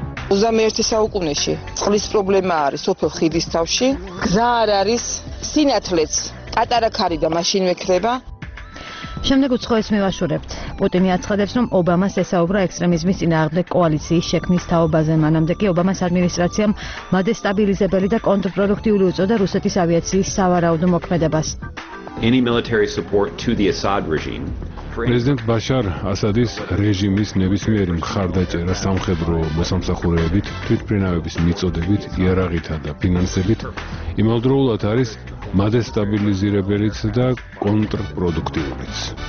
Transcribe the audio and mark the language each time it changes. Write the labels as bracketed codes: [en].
[ka] 21 საუკუნეში წყლის პრობლემა არის სოფელ ხიდისთავში, გზა არ არის, სინათლეც პატარა ქარი და მაშინვე ქრება. შემდეგ უცხოეს მივაშურებთ. პუტინი აცხადებს, რომ ობამას ესაუბრა ექსტრემიზმის წინააღმდეგ კოალიციის შექმნის თაობაზე. მანამდე კი ობამას ადმინისტრაციამ მადესტაბილიზებელი და კონტრპროდუქტიული უწოდა რუსეთის ავიაციის სავარაუდო მოქმედებას. [en] Any military support to the Assad regime. [ka] პრეზიდენტ ბაშარ ასადის რეჟიმის ნებისმიერი მხარდაჭერა სამხედრო მოსამსახურეებით, თვითმფრინავების მიწოდებით, იარაღითა და ფინანსებით იმავდროულად არის მადესტაბილიზირებელიც და კონტრპროდუქტიულიც.